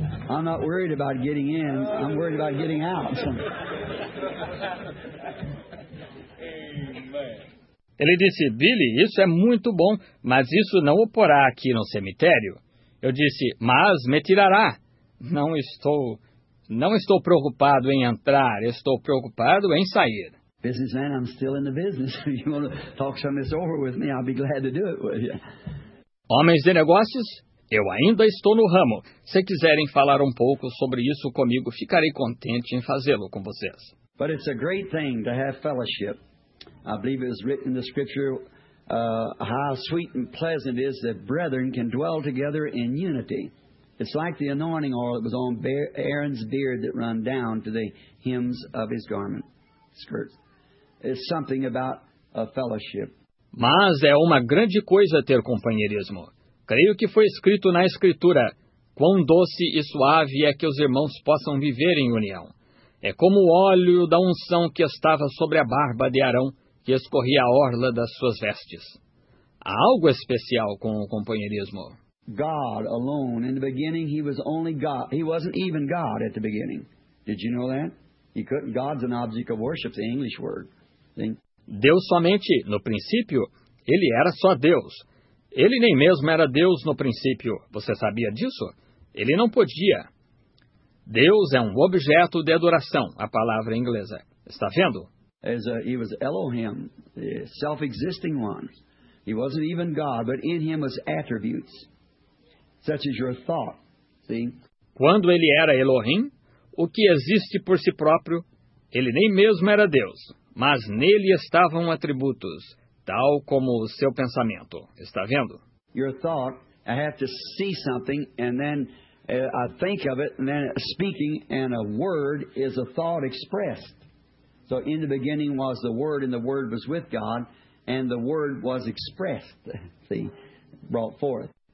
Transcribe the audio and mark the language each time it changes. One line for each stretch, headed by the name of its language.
English: I'm not worried about getting in. I'm worried about getting out."
Portuguese: Ele disse, "Billy, isso é muito bom, mas isso não o porá aqui no cemitério." Eu disse, "Mas me tirará. Não estou preocupado em entrar, estou preocupado em sair."
English: Businessman, I'm still in the business. If you want to talk some of this over with me, I'll be glad to do it with you.
Portuguese: Homens de negócios, eu ainda estou no ramo. Se quiserem falar um pouco sobre isso comigo, ficarei contente em fazê-lo com vocês.
English: But it's a great thing to have fellowship. I believe it was written in the scripture, how sweet and pleasant it is that brethren can dwell together in unity. It's like the anointing oil that was on Aaron's beard that run down to the hems of his garment, skirts. It's something about a fellowship.
Portuguese: Mas é uma grande coisa ter companheirismo. Creio que foi escrito na escritura, quão doce e suave é que os irmãos possam viver em união. É como o óleo da unção que estava sobre a barba de Arão, que escorria a orla das suas vestes. Há algo especial com o companheirismo.
English: God alone. In the beginning, he was only God. He wasn't even God at the beginning. Did you know that? He couldn't. God's an object of worship, the English word. Think.
Portuguese: Deus somente, no princípio, ele era só Deus. Ele nem mesmo era Deus no princípio. Você sabia disso? Ele não podia. Deus é um objeto de adoração, a palavra inglesa. Está vendo?
English: He was Elohim, the self-existing one. He wasn't even God, but in him was attributes, such as your thought. See?
Portuguese: Quando ele era Elohim, o que existe por si próprio, ele nem mesmo era Deus, mas nele estavam atributos, tal como o seu pensamento. Está vendo?
English: Your thought, I have to see something and then I think of it, and then speaking, and a word is a thought expressed. So in the beginning was the Word, and the Word was with God, and the Word was expressed, see, brought forth.